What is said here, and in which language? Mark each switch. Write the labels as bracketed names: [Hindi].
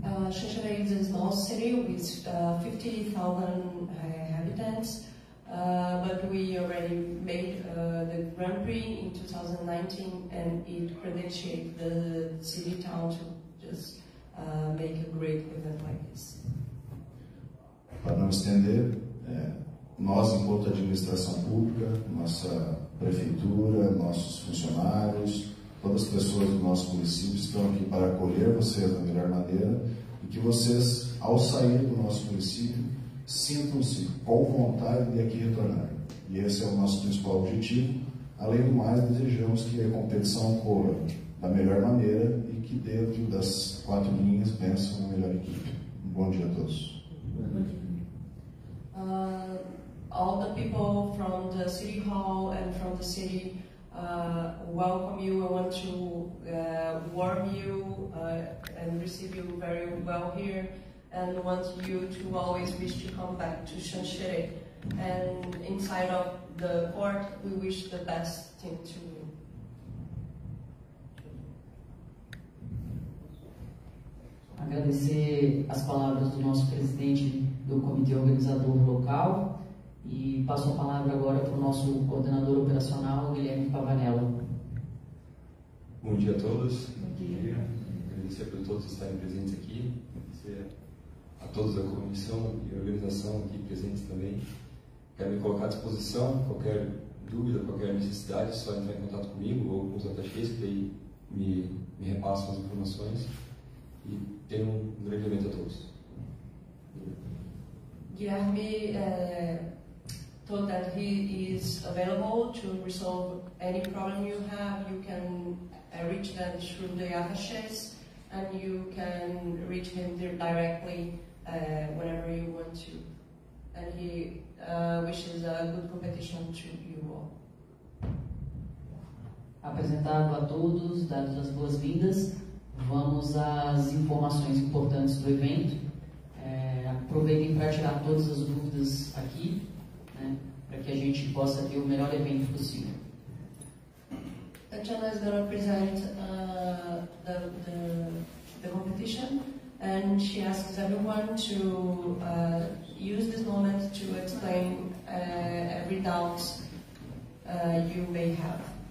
[English] Xanxerê is a small city with 50,000 inhabitants, but we already made the Grand Prix in 2019 and it credentiated the city town to just make a great event like this. [Portuguese] Para não estender, nós, enquanto administração pública, nossa prefeitura, nossos funcionários, todas as pessoas do nosso município estão aqui para acolher vocês da melhor maneira e que vocês, ao sair do nosso município, sintam-se com vontade de aqui retornarem. E esse é o nosso principal objetivo. Além do mais, desejamos que a competição ocorra da melhor maneira e que dentro das quatro linhas pensem uma melhor equipe. Um bom dia a todos. [English] All the people from the city hall and from the city welcome you. I want to warm you and receive you very well here and want you to always wish to come back to Xanxerê. And inside of the court, we wish the best thing to you. [Portuguese] Agradecer as palavras do nosso presidente do Comitê Organizador Local e passo a palavra agora para o nosso coordenador operacional, Guilherme Pavanello. Bom dia a todos. Bom dia. Agradecer por todos estarem presentes aqui. Agradecer a todos da comissão e organização aqui presentes também. Quero me colocar à disposição. Qualquer dúvida, qualquer necessidade, só entrar em contato comigo ou com os atachês que aí me repassam as informações. E tenho um grande evento a todos. [English] Guilherme told that he is available to resolve any problem you have. You can reach them through the attachés and you can reach him directly whenever you want to. And he wishes a good competition to you all. [Portuguese] Apresentado a todos, dados as boas-vindas. Vamos às informações importantes do evento. Aproveitem para tirar todas as dúvidas aqui, né, para que a gente possa ter o melhor evento possível. [English] A Tatiana is going to present the competition, and she asks everyone to use this moment to explain every doubt you may have.